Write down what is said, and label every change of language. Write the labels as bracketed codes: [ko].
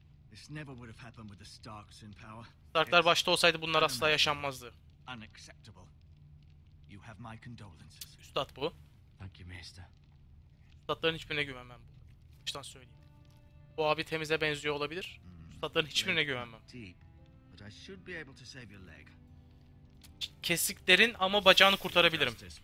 [en] This never would have happened with the Starks in power. [tr] Starklar başta olsaydı bunlar asla yaşanmazdı. [en] Unacceptable. You have my condolences. [tr] Üstad bu. [en] Thank you, Master. [tr] Üstadların hiçbirine güvenmem. Baştan söyleyeyim. Bu abi temize benziyor olabilir. Üstadların hiçbirine güvenmem. [en] But I should be able to save your leg. [tr] Kesiklerin ama bacağını kurtarabilirim.